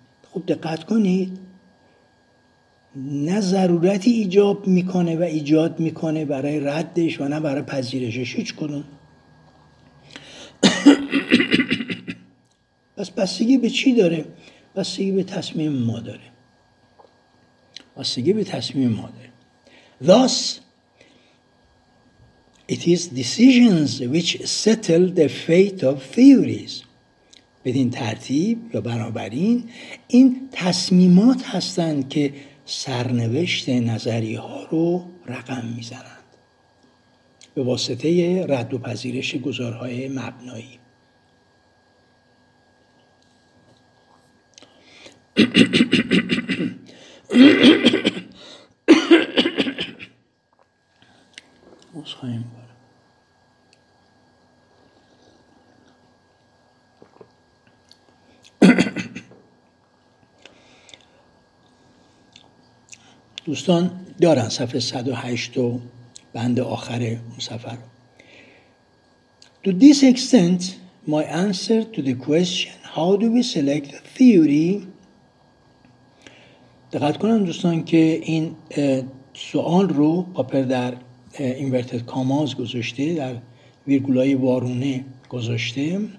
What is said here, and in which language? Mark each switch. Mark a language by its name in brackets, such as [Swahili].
[Persian] خوب دقت کنید، نه ضرورتی ایجاب می‌کنه و ایجاد می‌کنه برای ردش و نه برای پذیرشش، هیچ کدوم. پس بستگی به چی داره؟ بستگی به تصمیم ما داره. بستگی به تصمیم مادر. [English] Thus, it is decisions which settle the fate of theories. [Persian] بدین ترتیب یا بنابراین این تصمیمات هستند که سرنوشت نظری ها رو رقم میزنند به واسطه رد و پذیرش گزارهای مبنایی. خواهیم دوستان دارن صفحه 108 و بند آخر اون سفر. [English] To this extent my answer to the question how do we select theory. [Persian] دقت کنم دوستان که این سوال رو پاپر در [English] inverted commas [Persian] گذاشته، در ویرگولای وارونه گذاشته.